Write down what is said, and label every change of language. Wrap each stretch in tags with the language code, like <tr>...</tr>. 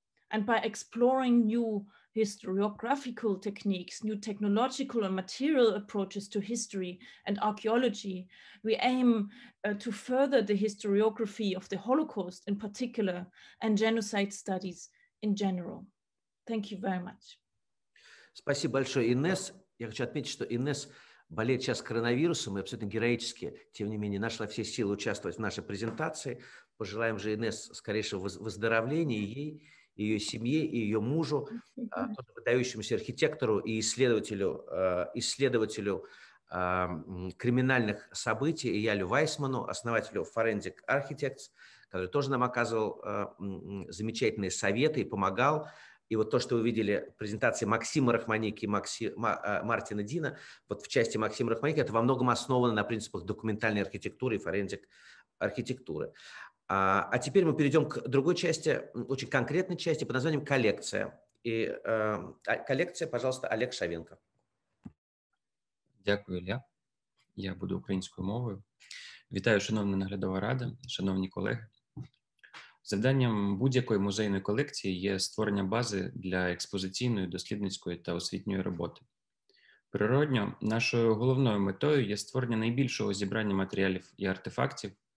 <en>And by exploring new historiographical techniques, new technological and material approaches to history and archaeology, we aim to further the historiography of the Holocaust in particular and genocide studies in general. Thank you very much.</en> <ru>Спасибо большое, Инесс. Я хочу отметить, что Инесс болеет сейчас коронавирусом и абсолютно героически, тем не менее, нашла все силы участвовать в нашей презентации. Пожелаем же Инесс скорейшего выздоровления ей, ее семье и ее мужу, выдающемуся архитектору и исследователю криминальных событий Эйялю Вайсману, основателю Forensic Architects, который тоже нам оказывал замечательные советы и помогал. И вот то, что вы видели в презентации Максима Рахманики и Мартина Дина, вот в части Максима Рахманики, это во многом основано на принципах документальной архитектуры и Forensic архитектуры. А теперь мы перейдем к другой части, очень конкретной части, под названием «Коллекция». И коллекция, пожалуйста, Олег Шавенко.</ru> <uk>Дякую, Ілля. Я буду українською мовою. Вітаю, шановна наглядова рада, шановні колеги. Завданням будь-якої музейної колекції є створення бази для експозиційної, дослідницької та освітньої роботи. Природньо нашою головною метою є створення найбільшого зібрання матеріалів і артефактів,</uk>